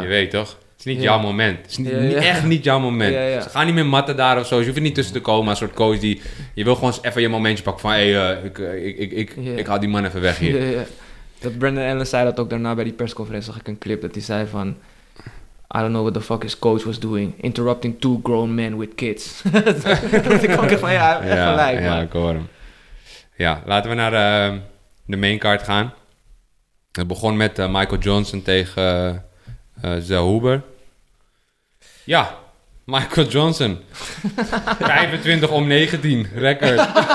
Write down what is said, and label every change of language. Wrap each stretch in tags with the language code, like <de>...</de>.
<nl>Je weet, toch? Het is niet jouw moment. Het is echt niet jouw moment. Ja, ja. Ze gaan niet meer matten daar of zo. Je hoeft er niet tussen te komen. Een soort coach die... Je wil gewoon even je momentje pakken van... Hey, ik haal die man even weg hier. Ja, ja. Dat Brandon Allen zei dat ook daarna bij die persconferentie. Zag ik een clip dat hij zei van...</nl> <en>I don't know what the fuck his coach was doing. Interrupting two grown men with kids.</en> <nl>Dat ik ook van... Ja, echt gelijk. Ja, ik hoor hem. Ja, laten we naar de main card gaan. Het begon met Michael Johnson tegen... Zahuber. Ja, Michael Johnson. 25 om 19, record.</nl>